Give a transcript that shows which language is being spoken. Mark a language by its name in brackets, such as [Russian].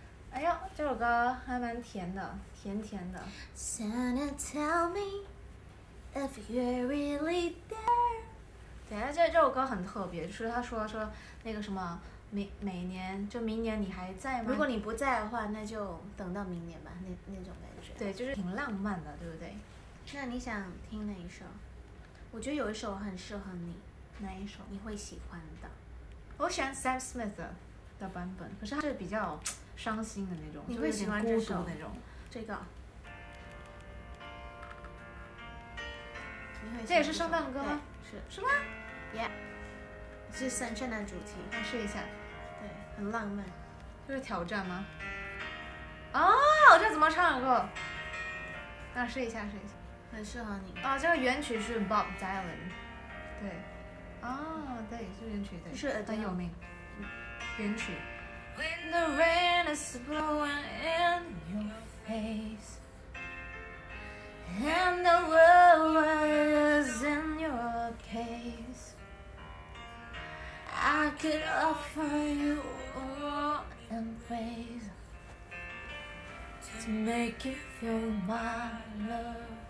[Chinese] 哎呦，这首歌还蛮甜的，甜甜的。 [English] Santa, tell me if you're really there. [Chinese] 对，这首歌很特别，就是他说那个什么每年就明年你还在吗？如果你不在的话，那就等到明年吧，那种感觉。对，就是挺浪漫的，对不对？那你想听哪一首？我觉得有一首很适合你，哪一首你会喜欢的？我喜欢 Sam Smith 的版本，可是它是比较。伤心的那种，你会喜欢这首那种，这个，这也是圣诞歌吗？是吗？Yeah， 是圣诞主题，来试一下。对，很浪漫，就是挑战吗？啊、哦！这怎么唱歌？那试一下，试一下，很适合你啊。这个原曲是 Bob Dylan， 对，啊，对，是原曲，对，是很有名，原曲。 [English] When the rain is blowing in your face and the world is in your case, I could offer you all embrace to make you feel my love.